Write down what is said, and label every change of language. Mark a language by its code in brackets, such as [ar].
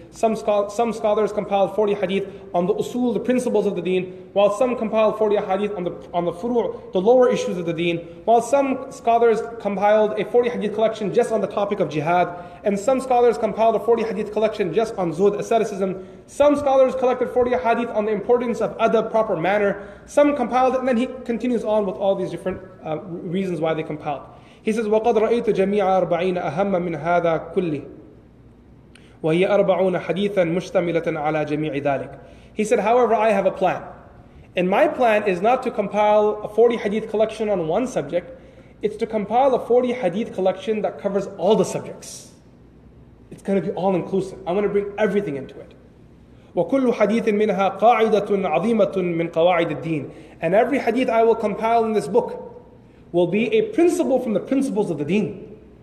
[en] Some scholars compiled 40 hadith on the usul, the principles of the deen, while some compiled 40 ahadith on the furu', the lower issues of the deen, while some scholars compiled a 40 hadith collection just on the topic of jihad, and some scholars compiled a 40 hadith collection just on zuhd, asceticism. Some scholars collected 40 hadith on the importance of adab, proper manner. Some compiled it, and then he continues on with all these different reasons why they compiled. [ar] He says, وَقَدْ رَأَيْتُ جَمِيعَ أَرْبَعِينَ أَهَمَّ مِنْ هَذَا كُلِّهِ وَهِيَ أَرْبَعُونَ حَدِيثًا مُشْتَمِلَةً عَلَى جَمِيعِ ذَلِكَ. [en] He said, however, I have a plan. And my plan is not to compile a 40 hadith collection on one subject, it's to compile a 40 hadith collection that covers all the subjects. It's going to be all inclusive. I'm going to bring everything into it. [ar] وَكُلُّ حَدِيثٍ مِنْهَا قَاعِدَةٌ عَظِيمَةٌ مِنْ قَوَاعِدِ الدِّينِ [en] And every hadith I will compile in this book will be a principle from the principles of the deen.